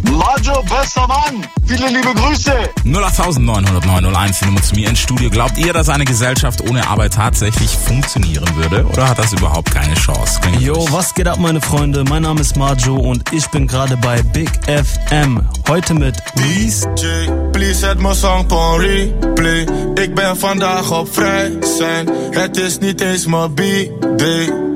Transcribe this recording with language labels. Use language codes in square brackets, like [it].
[de] Majo, bester Mann! Viele liebe Grüße! 0890901, die Nummer zu mir ins Studio. Glaubt ihr, dass eine Gesellschaft ohne Arbeit tatsächlich funktionieren würde? Oder hat das überhaupt keine Chance? Yo, was geht ab, meine Freunde? Mein Name ist Majo und ich bin gerade bei Big FM. Heute mit [en] DJ, please set my song on replay. [nl] Ich bin vandaag op vrij zijn. Het is niet eens mijn B-Day.